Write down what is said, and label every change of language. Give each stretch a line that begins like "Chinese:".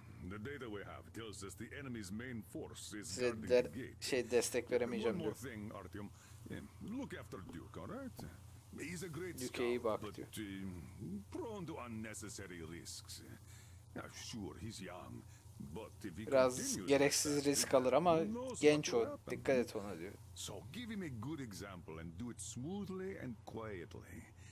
English: The data we have tells us the enemy's main force is guarding the gate.
Turkish: Şey destek veremeyeceğim diyor.
English: One more thing, Artyom. Look after Duke, all right? He's a great scout, but prone to unnecessary risks. Now, sure, he's young, but if he
Turkish: biraz gereksiz risk alır ama genç o. Dikkat et ona diyor.
English: So give him a good example and do it smoothly and quietly.